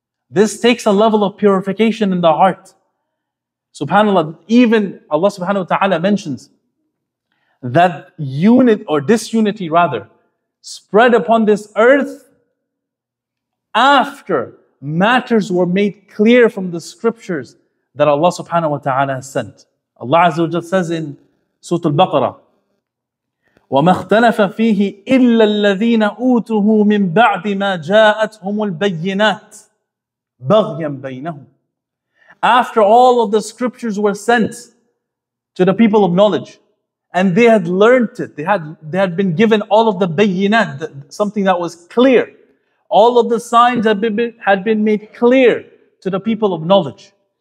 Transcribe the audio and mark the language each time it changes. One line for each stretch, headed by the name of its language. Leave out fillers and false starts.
English: This takes a level of purification in the heart. SubhanAllah, even Allah subhanahu wa ta'ala mentions that unit or disunity rather spread upon this earth after matters were made clear from the scriptures that Allah subhanahu wa ta'ala has sent. Allah Azza wa Jalla says in Surah Al-Baqarah,
Arabic: وَمَا اخْتَلَفَ فِيهِ إِلَّا الَّذِينَ أُوتُهُ مِنْ بَعْدِ مَا جَاءَتْهُمُ الْبَيِّنَاتِ بَغْيًا بَيْنَهُمْ.
English: After all of the scriptures were sent to the people of knowledge, and they had learned it, they had been given all of the bayyinat, something that was clear. All of the signs had been made clear to the people of knowledge.